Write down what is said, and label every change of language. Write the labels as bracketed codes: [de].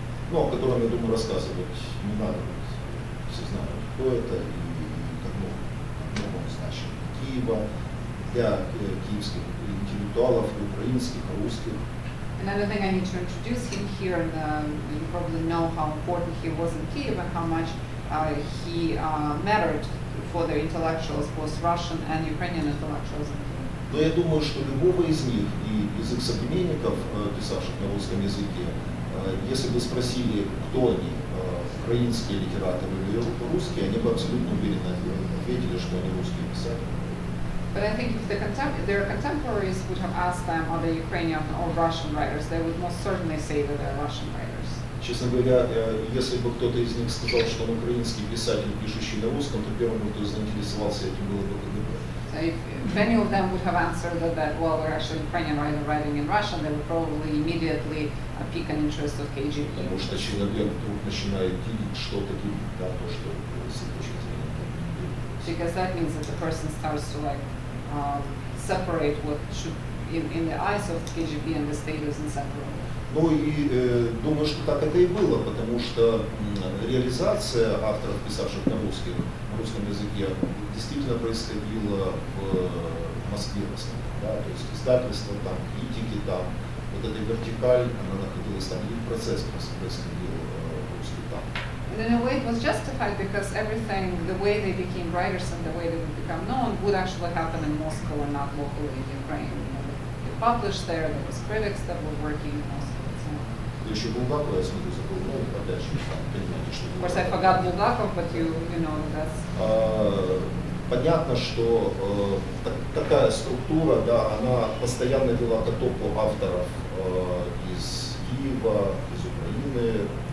[ru] Ну, о котором, я думаю, рассказывать не надо. Все знают, кто это, и как много значений Киева для киевских интеллектуалов, и украинских, и русских. [en] Another thing I need to introduce him here, and you probably know how important he was in Kyiv and how much he mattered for the intellectuals, both Russian and Ukrainian intellectuals. [ru] Но я думаю, что любого из них и из их современников, писавших на русском языке, если бы спросили, кто они, украинские литераторы или русские, они бы абсолютно уверенно ответили, что они русские писатели. [en] But I think if the their contemporaries would have asked them, are they Ukrainian or Russian writers, they would most certainly say that they're Russian writers. [ru] Честно говоря, если бы кто-то из них сказал, что он украинский писатель, пишущий на русском, то первым, кто заинтересовался этим, было бы КГБ. [en] So if many of them would have answered that, well, they're actually Ukrainian writer writing in Russian, they would probably immediately pique an interest of KGB. [ru] Потому что человек вдруг начинает делить что-то, да, то, что случилось. [en] Because that means that the person starts to like separate what should in the eyes of KGB and the state is inseparable. [ru] Ну и думаю, что так это и было, потому что реализация авторов, писавших на русском языке, действительно происходила в Москве, в основном, да, то есть издательство, там, критики, там, вот эта вертикаль, она находилась там, и процесс происходил в русском там. [en] And in a way, it was justified because everything, the way they became writers and the way they would become known, would actually happen in Moscow and not locally in Ukraine. You know, they published there, there was critics that were working in Moscow, so. [ru] Еще Булгакова, я смотрю, забыл, ну, опять же, понимаете, что... [en] Of course, I forgot Булгаков, but you know, that's... [ru] Понятно, что такая структура, да, она постоянно вела к оттоку авторов из Киева, из Украины,